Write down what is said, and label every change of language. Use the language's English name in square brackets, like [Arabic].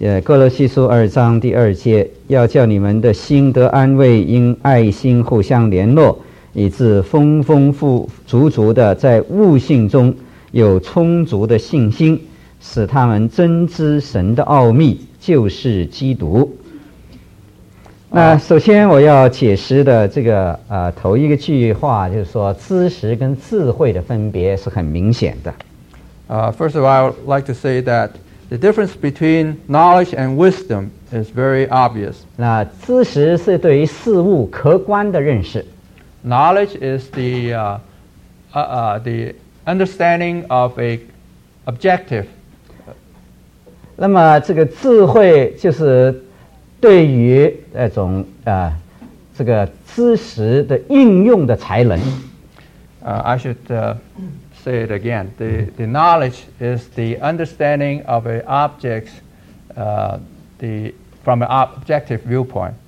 [Chinese] 哥罗西书二章第二节，要叫你们的心得安慰，因爱心互相联络，以致丰丰富足足的在悟性中有充足的信心，使他们真知神的奥秘，就是基督。那首先我要解释的这个头一个句话，就是说知识跟智慧的分别是很明显的。 [English] First of all, I would like to say that the difference between knowledge and wisdom is very obvious. [Chinese] 那知识是对于事物客观的认识。 [English] Knowledge is the understanding of a objective. [Chinese] 那么这个智慧就是对于那种这个知识的应用的才能。 [English] I should say it again. The knowledge is the understanding of an object, from an objective viewpoint.